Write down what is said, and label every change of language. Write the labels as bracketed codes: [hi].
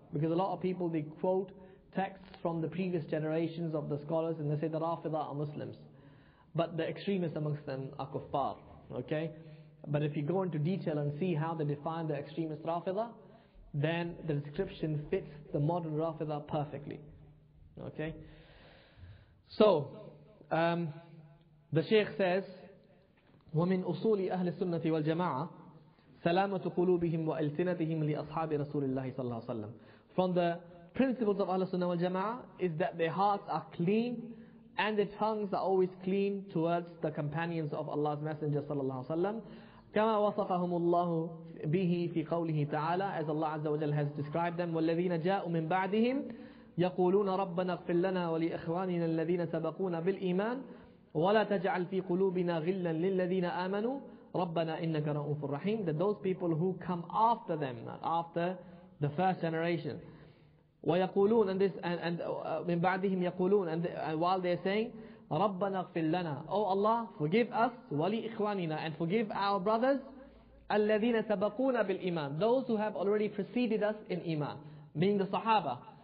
[en] Because a lot of people, they quote texts from the previous generations of the scholars and they say that Rafida are Muslims, but the extremists amongst them are kuffar. Okay, but if you go into detail and see how they define the extremist Rafida, then the description fits the modern Rafida perfectly. Okay, so the Shaykh says, [ar] وَمِنْ أُصُولِ أَهْلِ السُّنَّةِ وَالْجَمَعَةِ سَلَامَةُ قُلُوبِهِمْ وَأَلْسِنَتِهِمْ لِأَصْحَابِ رَسُولِ اللَّهِ صَلَّى اللَّهُ وَسَلَّمْ. [en] From the principles of Ahlul Sunnah wal Jama'ah is that their hearts are clean and their tongues are always clean towards the companions of Allah's Messenger sallallahu alaihi wasallam. [ar] كَمَا وَصَفَهُمُ اللَّهُ بِهِ فِي قَوْلِهِ تَعَالَى. [en] As Allah Azza wa Jal has described them, [ar] وَالَّذِينَ جَاءُوا مِنْ بَعْدِهِمْ يَقُولُونَ رَبَّنَا اغْفِرْ لَنَا وَلِإِخْوَانِنَا الَّذِينَ سَبَقُونَا بِالْإِيمَانِ وَلَا تَجْعَلْ فِي قُلُوبِنَا غِلًّا لِلَّذِينَ آمَنُوا رَبَّنَا إِنَّكَ رَؤُوفٌ رَحِيمٌ. [en] That those people who come after them, after the first generation, وَيَقُولُونَ and this and [ar] مِنْ بَعْدِهِمْ يَقُولُونَ [en] and while they're saying, [ar] رَبَّنَا اغْفِرْ لَنَا, [en] O Allah, forgive us, وَلِإِخْوَانِنَا, and forgive our brothers, [ar] الَّذِينَ سَبَقُونَا بِالْإِيمَانِ, [en] those who have already preceded us in iman, meaning the Sahaba.